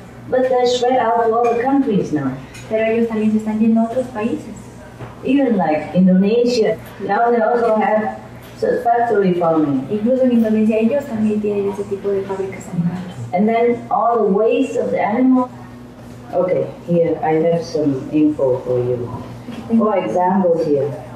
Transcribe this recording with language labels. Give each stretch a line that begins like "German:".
English: But they're spread out to other countries now.
Spanish: Pero ellos también se están yendo a otros países.
English: Even like Indonesia, now they also have such factory farming.
Spanish: Incluso en Indonesia ellos también tienen ese tipo de fábricas animales.
English: And then all the waste of the animal. Okay, here I have some info for you. For example here.